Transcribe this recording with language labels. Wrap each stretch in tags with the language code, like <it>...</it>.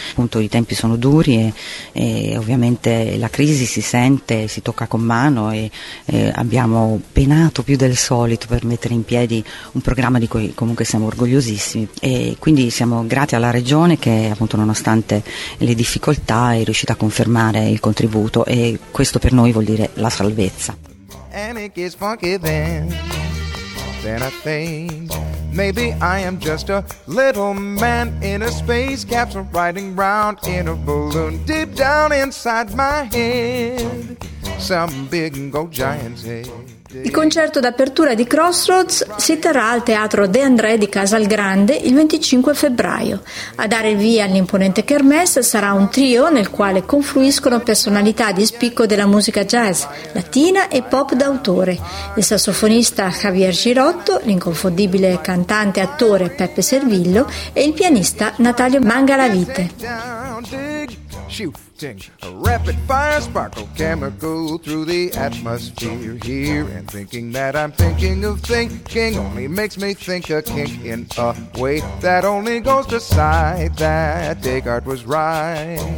<it>Appunto, i tempi sono duri e ovviamente la crisi si sente, si tocca con mano e abbiamo penato più del solito per mettere in piedi un programma di cui comunque siamo orgogliosissimi, e quindi siamo grati alla regione che, appunto, nonostante le difficoltà è riuscita a confermare il contributo, e questo per noi vuol dire la salvezza.</it> <en>And it gets funky then I think maybe I am just a little man in a space capsule riding round in a balloon deep down inside my head, some big gold giant's head.</en> <it>Il concerto d'apertura di Crossroads si terrà al Teatro De André di Casal Grande il 25 febbraio. A dare il via all'imponente kermesse sarà un trio nel quale confluiscono personalità di spicco della musica jazz, latina e pop d'autore: il sassofonista Javier Girotto, l'inconfondibile cantante e attore Peppe Servillo e il pianista Natalio Mangalavite.</it> <en>Shooting a rapid fire sparkle chemical through the atmosphere here, and thinking that I'm thinking of thinking only makes me think a kink in a way that only goes to side that Descartes was right.</en>